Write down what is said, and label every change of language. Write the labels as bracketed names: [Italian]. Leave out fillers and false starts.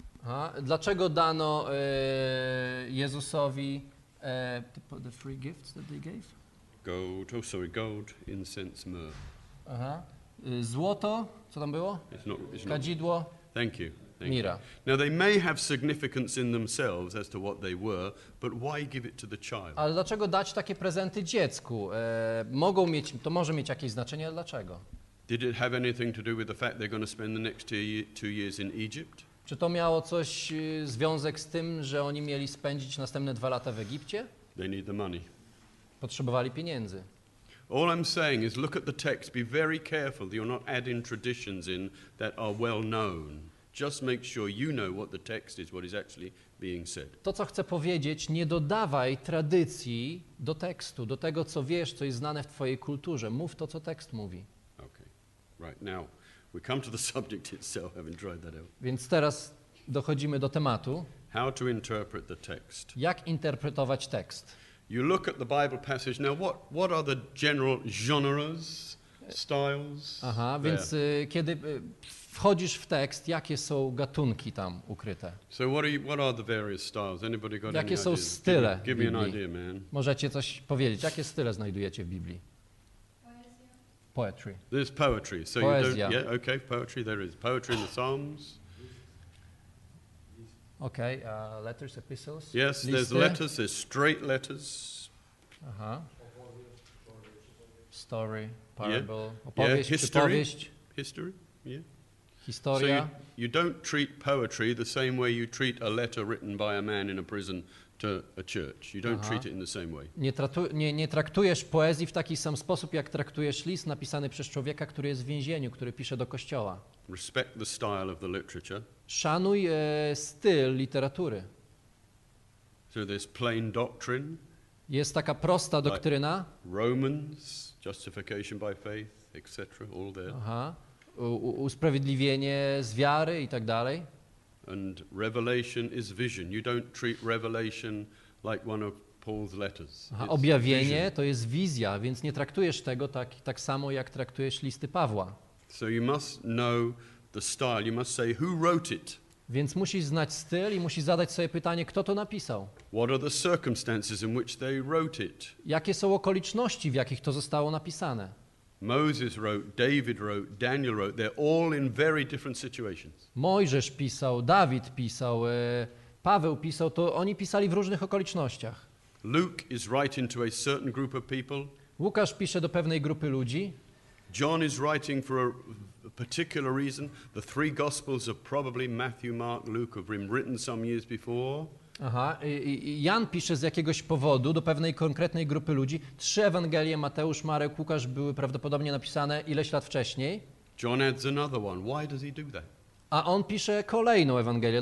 [Polish] A dlaczego dano Jezusowi [English] the three gifts that they gave? Gold, incense, myrrh. [Polish] Aha. Złoto, co tam było? Kadzidło. [English] Thank you. Mira. Now they may have significance in themselves as to what they were, but why give it to the child? [Polish] Ale dlaczego dać takie prezenty dziecku? Mogą mieć, to może mieć jakieś znaczenie, ale dlaczego? [English] Did it have anything to do with the fact they're going to spend the next two years in Egypt? [Polish] Czy to miało coś związek z tym, że oni mieli spędzić następne dwa lata w Egipcie? [English] They need the money. [Polish] Potrzebowali pieniędzy. [English] All I'm saying is look at the text, be very careful that you're not adding traditions in that are well known. Just make sure you know what the text is, what is actually being said. [Polish] To, co chcę powiedzieć, nie dodawaj tradycji do tekstu, do tego, co wiesz, co jest znane w twojej kulturze. Mów to, co tekst mówi. [English] Okay, right now. We come to the subject itself, having tried that out. [Polish] Więc teraz dochodzimy do tematu. [English] How to interpret the text? [Polish] Jak interpretować tekst? [English] You look at the Bible passage. Now, what are the general genres, styles? Aha, there? [Polish] Więc kiedy wchodzisz w tekst, jakie są gatunki tam ukryte? [English] So what are the various styles? Anybody got [Polish] jakie [English] any [Polish] są [English] ideas? Style? Give me an idea, man. [Polish] Możecie coś powiedzieć? Jakie style znajdujecie w Biblii? [English] Poetry. There's poetry. So [Polish] poezja. [English] You don't, yeah, okay, poetry, there is. Poetry in the Psalms. Okay, letters, epistles. Yes, [Polish] listy. [English] There's letters, there's straight letters. Aha. Story, parable, yeah. [Polish] Opowieść, [English] yeah. History. History, yeah. [Polish] Historia. [English] So you don't treat poetry the same way you treat a letter written by a man in a prison to a church. You don't treat it in the same way. [Polish] Nie traktujesz poezji w taki sam sposób, jak traktujesz list napisany przez człowieka, który jest w więzieniu, który pisze do kościoła. [English] Respect the style of the literature. [Polish] Szanuj styl literatury. [English] So there's plain doctrine. [Polish] Jest taka prosta doktryna. [English] Like Romans, justification by faith, etc. All there. Aha. [Polish] Usprawiedliwienie z wiary i tak dalej. [English] And revelation is vision. You don't treat revelation like one of Paul's letters. [Polish] Aha, objawienie to jest wizja, więc nie traktujesz tego tak samo, jak traktujesz listy Pawła. [English] So you must know the style. You must say who wrote it. [Polish] Więc musisz znać styl i musisz zadać sobie pytanie, kto to napisał. [English] What are the circumstances in which they wrote it? [Polish] Jakie są okoliczności, w jakich to zostało napisane? [English] Moses wrote, David wrote, Daniel wrote. They're all in very different situations. [Polish] Mojżesz pisał, Dawid pisał, Paweł pisał, to oni pisali w różnych okolicznościach. [English] Luke is writing to a certain group of people. [Polish] Łukasz pisze do pewnej grupy ludzi. [English] John is writing for a particular reason. The three gospels are probably Matthew, Mark, Luke have been written some years before. [Polish] Aha, Jan pisze z jakiegoś powodu do pewnej konkretnej grupy ludzi. Trzy Ewangelie, Mateusz, Marek, Łukasz były prawdopodobnie napisane ileś lat wcześniej. [English] John adds another one. Why does he do that? [Polish] A on pisze kolejną Ewangelię.